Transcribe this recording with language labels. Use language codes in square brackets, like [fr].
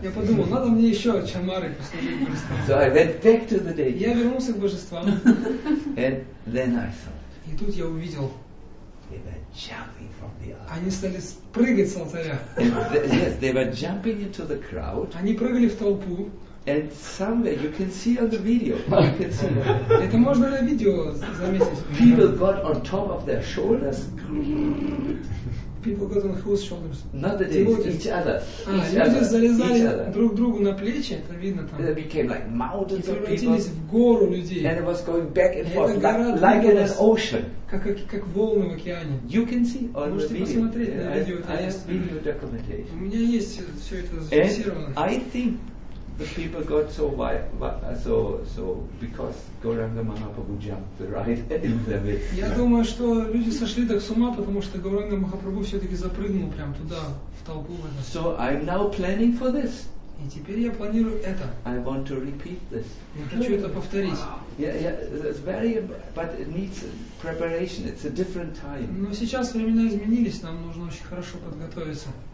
[ru] Я подумал, надо мне еще чамары послужить просто. [en] So I went back to the deity. [ru] Я вернулся к божествам. [en] And then I thought. [ru] И тут я увидел. [en] They were jumping from the altar. [ru] Они стали прыгать с алтаря. [en] Yes, they were jumping into the crowd. [ru] Они прыгали в толпу. [en] And somewhere you can see on the video. [ru] Это можно на видео заметить. [en] People got on top of their shoulders. People got on whose shoulders? Not the deities, each other. [ru] Люди залезали друг другу на плечи. Это видно там. [en] It became like mountains of people. [ru] И превратились в гору людей. [en] And it was going back and forth, like in an ocean. [ru] Как волны в океане. [en] You can see on the video. [ru] Можете посмотреть на видео. [en] I have video documentation. [ru] У меня есть все это зафиксировано. [en] And I think the people got so wild, so because Gauranga Mahaprabhu jumped right in the midst. [ru] Я думаю, что люди сошли так с ума, потому что Гауранга Махапрабху все-таки запрыгнул прям туда в толпу. [en] So I'm now planning for this. [ru] И теперь я планирую это. [en] I want to repeat this. [ru] Я хочу это повторить. [en] Yeah, it's very, but it needs preparation. It's a different time. [ru] Но сейчас времена изменились, нам нужно очень хорошо подготовиться.